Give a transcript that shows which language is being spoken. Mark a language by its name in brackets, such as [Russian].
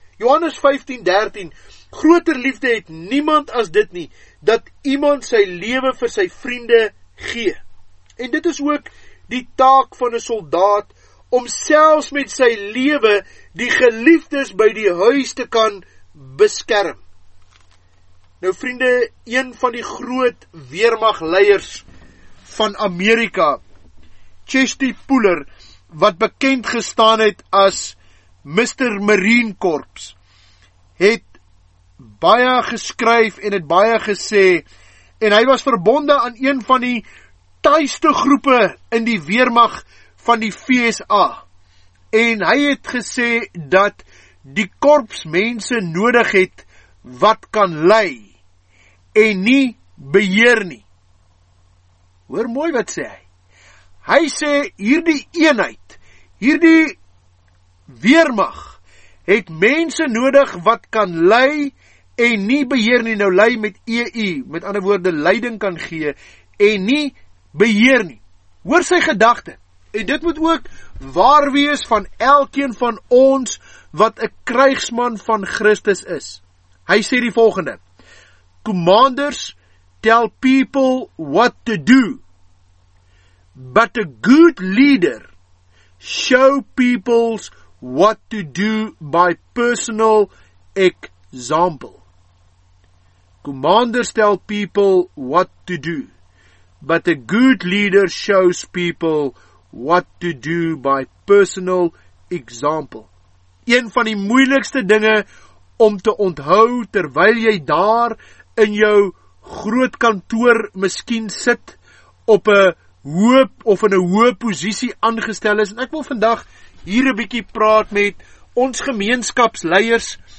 [Afrikaans] Johannes 15:13, groter liefde het niemand as dit nie, dat iemand sy lewe vir sy vriende gee. En dit is ook die taak van 'n soldaat, om selfs met sy lewe die geliefdes by die huis te kan beskerm. Nou vriende, een van die groot weermagleiers van Amerika, Chesty Puller, wat bekend gestaan het as Mr. Marine Corps, het baie geskryf en het baie gesê, en hy was verbonde aan een van die tuiste groepe in die weermag van die VSA. En hy het gesê dat die korps mense nodig het wat kan lei en nie beheer nie. Hoor mooi wat sê hy. Hy sê hierdie eenheid, hierdie weermag het mense nodig wat kan lei en nie beheer nie. Nou lei met EU, met ander woorde leiding kan gee en nie beheer nie. Hoor sy gedagte. En dit moet ook waar wees van elkeen van ons wat 'n krygsman van Christus is. Hy sê die volgende: [English] Commanders tell people what to do, but a good leader show people what to do by personal example. Commanders tell people what to do, but a good leader shows people what to do by personal example. [Afrikaans] Een van die moeilikste dinge om te onthou terwyl jy daar in jou groot kantoor miskien sit op 'n hoop of in 'n hoë posisie aangestel is. En ek wil vandag hier 'n bietjie praat met ons gemeenskapsleiers.